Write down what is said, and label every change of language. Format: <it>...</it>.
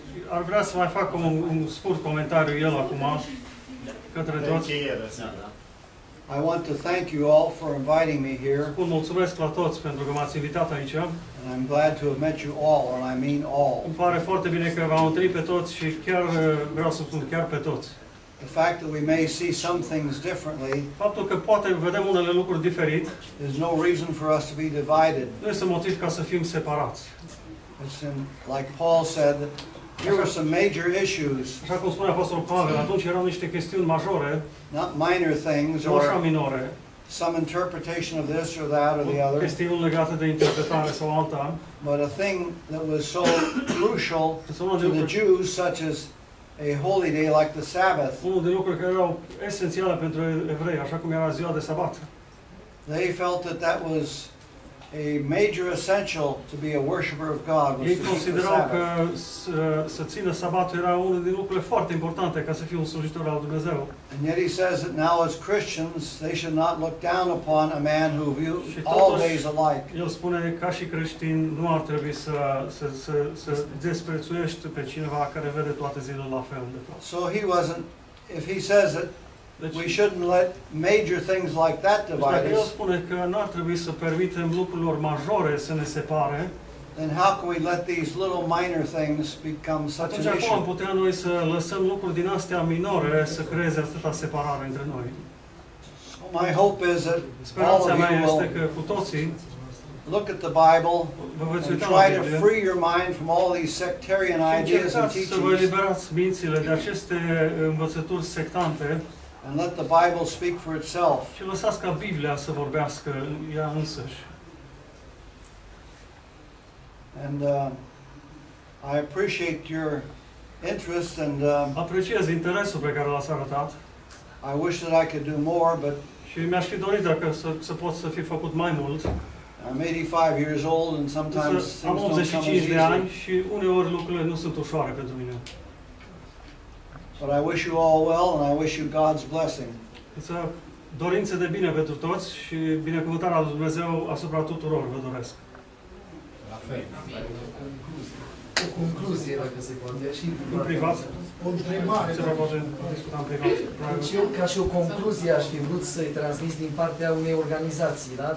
<ro>Ar vrea să mai fac un scurt comentariu el acum către toți.</ro> <en>I want to thank you all for inviting me here.</en> <ro>Spun mulțumesc la toți pentru că m-ați invitat aici.</ro> <en>And I'm glad to have met you all, and I mean all.</en> <ro>Îmi pare foarte bine că v-am întâlnit pe toți și chiar vreau să spun chiar pe toți.</ro> <en>The fact that we may see some things differently,</en> <ro>faptul că poate vedem unele lucruri diferit,</ro> <en>is no reason for us to be divided.</en> <ro>Nu este motiv ca să fim separați.</ro> <en>Listen, like Paul said, here are some major issues.</en> <ro>Așa cum spune Apostolul Pavel, atunci erau niște chestiuni majore,</ro> <en>not minor things,</en> <ro>nu așa minore,</ro> <en>some interpretation of this or that or the other,</en> <ro>chestiuni legate de interpretare sau alta,</ro> <en>but a thing that was so crucial to the Jews, such as a holy day like the Sabbath.</en> <ro>Unul din lucruri care erau esențiale pentru evrei, așa cum era ziua de sabat.</ro> <en>They felt that that was a major essential to be a worshipper of God.</en> <ro>Ei considerau că să țină sabatul era unul din lucrurile foarte importante ca să fie un slujitor al Dumnezeu.</ro> <en>And yet he says that now as Christians they should not look down upon a man who views all days alike.</en> <ro>El spune ca și creștin nu ar trebui să desprețuiești pe cineva care vede toate zilele la fel de tot.</ro> <en>So he wasn't, if he says it, we shouldn't let major things like that divide us.</en> <ro>Deci, spune că nu ar trebui să permitem lucrurilor majore să ne separe.</ro> <en>Then how can we let these little minor things become such an issue?</en> <ro>Cum putem noi să lăsăm lucruri din astea minore să creeze atâta separare între noi?</ro> <en>So my hope is that</en> <ro>speranța mea este că cu toții</ro> <en>look at the Bible and try to free your mind from all these sectarian ideas and teachings.</en> <ro>Să vă eliberați mințile de aceste învățături sectante.</ro> <en>And let the Bible speak for itself.</en> <ro>Și lăsați ca Biblia să vorbească ea însăși.</ro> <en>And I appreciate your interest and</en> <ro>apreciez interesul pe care l-ați arătat.</ro> <en>I wish that I could do more, but</en> <ro>și mi-aș fi dorit dacă să pot să fi făcut mai mult.</ro> <en>I'm 85 years old and sometimes</en> <ro>am 85 de ani și uneori lucrurile nu sunt ușoare pentru mine.</ro> <en>But I wish you all well and I wish you God's blessing.</en> <ro>Însă dorințe de bine pentru toți și binecuvântarea lui Dumnezeu asupra tuturor vă doresc. La fel. O concluzie, dacă se poate, și în privat. O întrebare. Se poate discuta în privat. Deci eu, ca și o concluzie, aș fi vrut să-i transmis din partea unei organizații, da?</ro>